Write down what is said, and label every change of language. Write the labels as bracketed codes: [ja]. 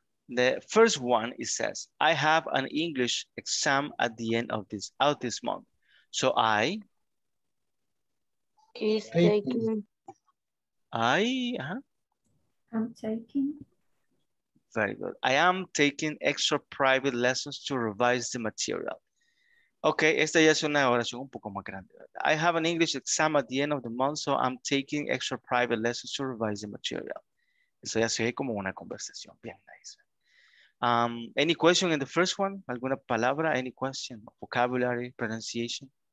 [en] The first one, it says, I have an English exam at the end of this, out this month. So I... Is taking. I, I'm taking. Very good. I am taking extra private lessons to revise the material. [es] Okay, esta ya es una oración un poco más grande. [en] I have an English exam at the end of the month, so I'm taking extra private lessons to revise the material. [es] Eso ya sería como una conversación. Bien, nice. [en] Any question in the first one? [es] ¿Alguna palabra? [en] Any question? Vocabulary, pronunciation?